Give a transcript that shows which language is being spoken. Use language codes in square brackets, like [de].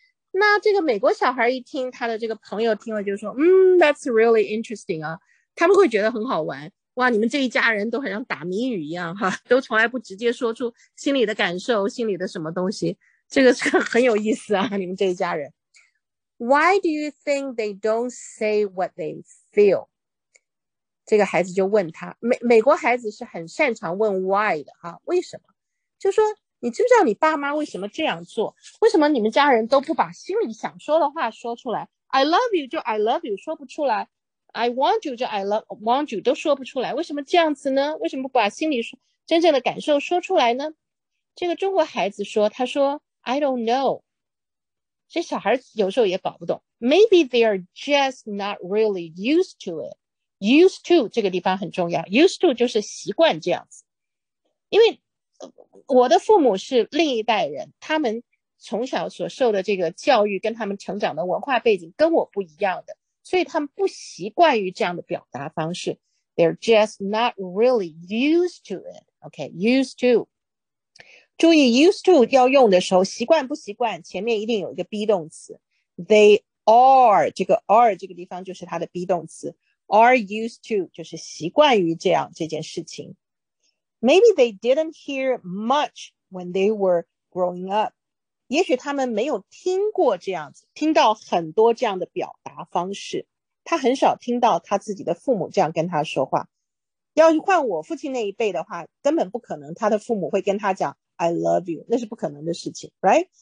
[zh] 那这个美国小孩一听，他的这个朋友听了就说，嗯 , [en] that's really interesting [zh] 啊，他们会觉得很好玩，哇，你们这一家人都很像打谜语一样哈，都从来不直接说出心里的感受，心里的什么东西，这个是很有意思啊，你们这一家人。 [en] Why do you think they don't say what they feel? [zh] 这个孩子就问他，美国孩子是很擅长问 why 的哈，为什么？就说你知不知道你爸妈为什么这样做？为什么你们家人都不把心里想说的话说出来？ [en] I love you [zh] 就 I love you 说不出来， [en] I want you [zh] 就 [en] I love, want you [zh] 都说不出来，为什么这样子呢？为什么不把心里真正的感受说出来呢？这个中国孩子说，他说 [en] I don't know， [zh] 这小孩有时候也搞不懂。 [en] Maybe they are just not really used to it。 [zh] Used to 这个地方很重要， used to 就是习惯这样子。因为我的父母是另一代人，他们从小所受的这个教育跟他们成长的文化背景跟我不一样的，所以他们不习惯于这样的表达方式。 [en] They're just not really used to it. OK, used to. [zh] 注意 used to 要用的时候，习惯不习惯前面一定有一个 be 动词。 [en] They are, [zh] 这个 are 这个地方就是它的 be 动词。 Are used to 就是习惯于这样这件事情。 [en] Maybe they didn't hear much when they were growing up. [zh] 也许他们没有听过这样子，听到很多这样的表达方式。他很少听到他自己的父母这样跟他说话。要换我父亲那一辈的话，根本不可能他的父母会跟他讲 [en] I love you， [zh] 那是不可能的事情， right？